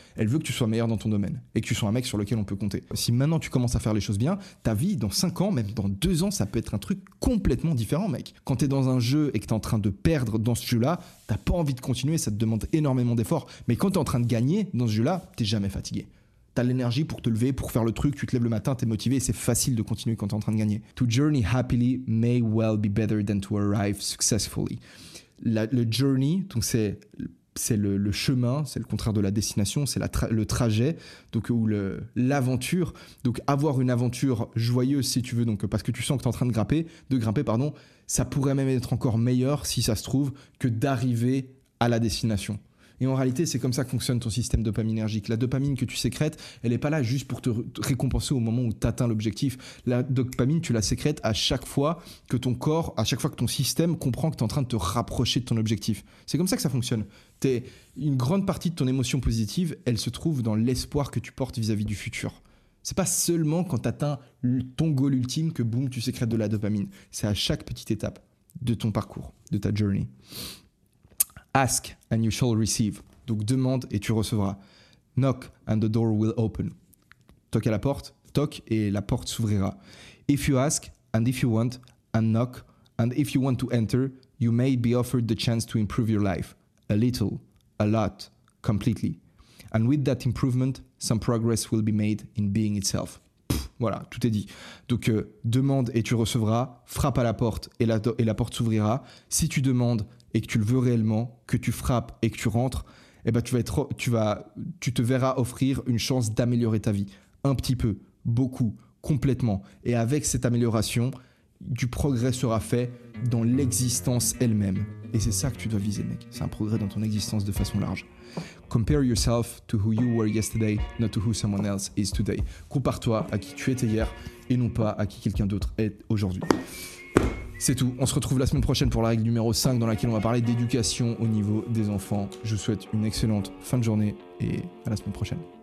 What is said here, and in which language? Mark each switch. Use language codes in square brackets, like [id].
[fr] Elle veut que tu sois meilleur dans ton domaine et que tu sois un mec sur lequel on peut compter. Si maintenant tu commences à faire les choses bien, ta vie dans 5 ans, même dans 2 ans, ça peut être un truc complètement différent, mec. Quand t'es dans un jeu et que t'es en train de perdre dans ce jeu-là, t'as pas envie de continuer, ça te demande énormément d'efforts. Mais quand t'es en train de gagner dans ce jeu-là, t'es jamais fatigué. T'as l'énergie pour te lever, pour faire le truc, tu te lèves le matin, t'es motivé, c'est facile de continuer quand t'es en train de gagner. [en] To journey happily may well be better than to arrive successfully. [fr] Le journey, donc c'est le chemin, c'est le contraire de la destination, c'est le trajet, donc l'aventure. Donc avoir une aventure joyeuse, si tu veux, donc parce que tu sens que t'es en train de grimper, ça pourrait même être encore meilleur, si ça se trouve, que d'arriver à la destination. Et en réalité, c'est comme ça que fonctionne ton système dopaminergique. La dopamine que tu sécrètes, elle n'est pas là juste pour te récompenser au moment où tu atteins l'objectif. La dopamine, tu la sécrètes à chaque fois que ton corps, à chaque fois que ton système comprend que tu es en train de te rapprocher de ton objectif. C'est comme ça que ça fonctionne. Une grande partie de ton émotion positive, elle se trouve dans l'espoir que tu portes vis-à-vis du futur. C'est pas seulement quand tu atteins ton goal ultime que boum, tu sécrètes de la dopamine. C'est à chaque petite étape de ton parcours, de ta journey. [en] Ask and you shall receive. [fr] Donc demande et tu recevras. [en] Knock and the door will open. [fr] Toque à la porte, toque et la porte s'ouvrira. [en] If you ask and if you want and knock and if you want to enter, you may be offered the chance to improve your life. A little, a lot, completely. And with that improvement, some progress will be made in being itself. [fr] Voilà, tout est dit. Donc, demande et tu recevras, frappe à la porte et la porte s'ouvrira. Si tu demandes et que tu le veux réellement, que tu frappes et que tu rentres, eh ben, tu te verras offrir une chance d'améliorer ta vie. Un petit peu, beaucoup, complètement. Et avec cette amélioration, du progrès sera fait dans l'existence elle-même. Et c'est ça que tu dois viser, mec. C'est un progrès dans ton existence de façon large. [en] Compare yourself to who you were yesterday, not to who someone else is today. [fr] Compare-toi à qui tu étais hier et non pas à qui quelqu'un d'autre est aujourd'hui. C'est tout. On se retrouve la semaine prochaine pour la règle numéro 5 dans laquelle on va parler d'éducation au niveau des enfants. Je vous souhaite une excellente fin de journée et à la semaine prochaine.